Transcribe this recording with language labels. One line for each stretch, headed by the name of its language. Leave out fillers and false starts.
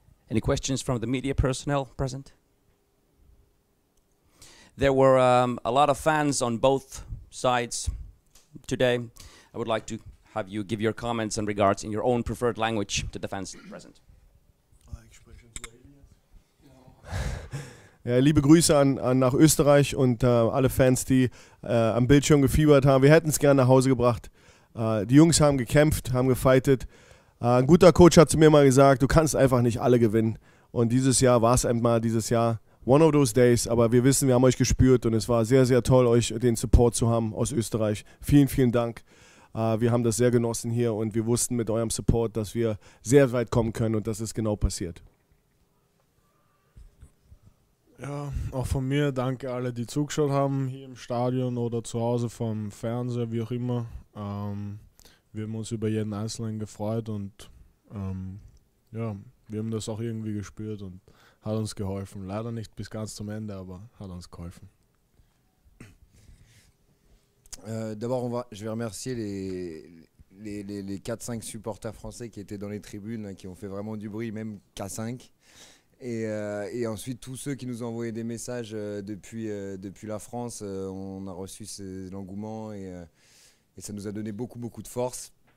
English: Any questions from the media personnel present? There were a lot of fans on both sides today. I would like to have you give your comments and regards in your own preferred language to the fans present.
German: Ja, liebe Grüße an nach Österreich und alle Fans, die am Bildschirm gefiebert haben. Wir hätten es gerne nach Hause gebracht. Die Jungs haben gekämpft, haben gefightet. Ein guter Coach hat zu mir mal gesagt, du kannst einfach nicht alle gewinnen. Und dieses Jahr war es einmal dieses Jahr.
English: One of those days,
German: aber wir wissen, wir haben euch gespürt und es war sehr, sehr toll, euch den Support zu haben aus Österreich. Vielen, vielen Dank. Wir haben das sehr genossen hier und wir wussten mit eurem Support, dass wir sehr weit kommen können und das ist genau passiert. Ja, auch von mir danke alle, die zugeschaut haben, hier im Stadion oder zu Hause vom Fernseher, wie auch immer. Wir haben uns über jeden Einzelnen gefreut und ja, wir haben das auch irgendwie gespürt und hat uns geholfen. Leider nicht bis ganz zum Ende, aber hat uns geholfen.
French: D'abord, je vais remercier les 4-5 supporters français qui étaient dans les tribunes, qui ont fait vraiment du bruit, même K5. Et ensuite, tous ceux qui nous ont envoyé des messages depuis la France, on a reçu l'engouement et ça nous a donné beaucoup, beaucoup de force.